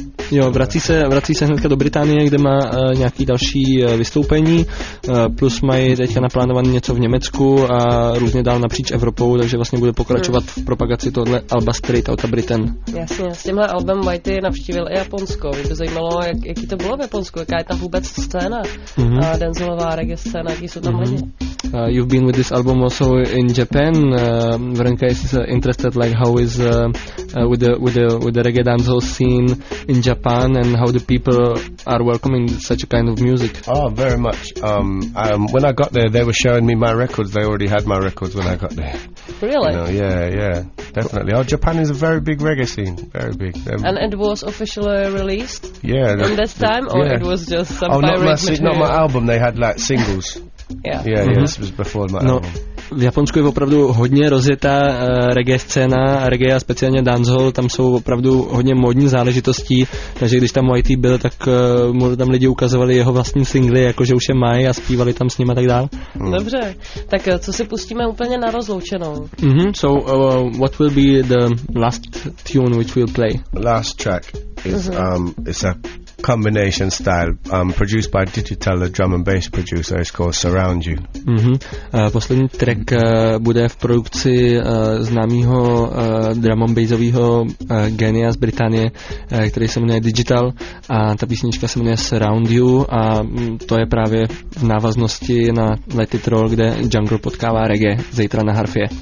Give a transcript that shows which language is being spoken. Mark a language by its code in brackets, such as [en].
[cs] Jo, vrací se hnedka do Británie, kde má nějaký další vystoupení, plus mají teďka naplánované něco v Německu a různě dál napříč Evropou, takže vlastně bude pokračovat v propagaci tohle alba Straight Outta Britain. Jasně, s tímhle albem Whitey navštívil i Japonsko. Mě by zajímalo, jaký to bylo v Japonsku, jaká je tam vůbec scéna, dancehallová reggae scéna, jaký jsou tam lidi. [en] You've been with this album also in Japan. Verenka is interested, like how is with the reggae dancehall scene in Japan and how the people are welcoming such a kind of music. Oh, very much. When I got there, they were showing me my records. They already had my records when I got there. Really? You know, yeah, definitely. Oh, Japan is a very big reggae scene, very big. And it was officially released. Yeah. In this time, or it was just some pirate material? Not my album. They had like singles. Yeah, this was before my album. [cs] V Japonsku je opravdu hodně rozjetá reggae scéna, reggae a speciálně dancehall, tam jsou opravdu hodně módní záležitostí, takže když tam YT byl, tak mu tam lidi ukazovali jeho vlastní singly, jakože už je mají a zpívali tam s ním a tak dál. Dobře, tak co si pustíme úplně na rozloučenou? Mm-hmm. [en] So, what will be the last tune which we'll play? Last track is it's a combination style produced by Digital, the drum and bass producer, is called Surround You. [cs] Poslední track bude v produkci známého drum and bassového genia z Británie, který se jmenuje Digital, a ta písnička se jmenuje Surround You, a to je právě v návaznosti na Let It Roll, kde Jungle potkává reggae zítra na harfě.